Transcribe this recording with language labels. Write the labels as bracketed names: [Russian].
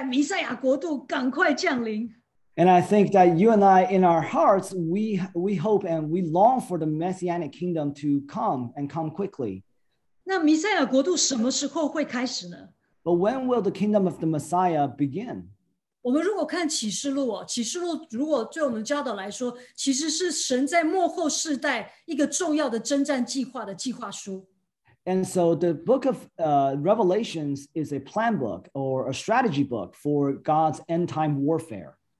[Chinese] 我相信你跟我的心里面都期待弥赛亚国度赶快降临。 [English] And I think that you and I, in our hearts, we hope and we long for the Messianic kingdom to come and come quickly. [Chinese] 那弥赛亚国度什么时候会开始呢? [English] But when will the kingdom of the Messiah begin? [Chinese] 我们如果看启示录，启示录如果对我们教导来说, 其实是神在末后世代一个重要的征战计划的计划书。 [English] And so the book of Revelations is a plan book or a strategy book for God's end time warfare.